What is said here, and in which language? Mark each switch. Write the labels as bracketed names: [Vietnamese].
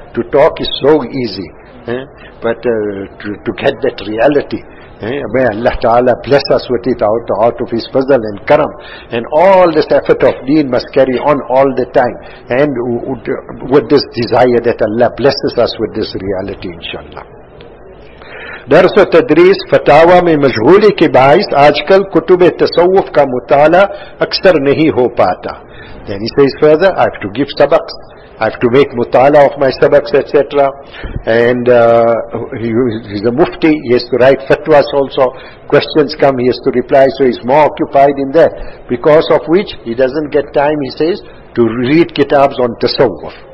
[English] To talk is so easy. But to get that reality, may Allah Ta'ala bless us with it out of His fazl and karam. And all this effort of deen must carry on all the time. And with this desire that Allah blesses us with this reality, inshallah. [Urdu] درس و تدریس فتاوہ میں مشغولی کے باعث آج کل کتب تصوف کا مطالعہ اکثر نہیں ہو پاتا. [English] Then he says further, I have to give sabaks. I have to make mutala of my sabaks, etc. And he's a mufti, he has to write fatwas also. Questions come, he has to reply, so he's more occupied in that. Because of which, he doesn't get time, he says, to read kitabs on tasawwuf.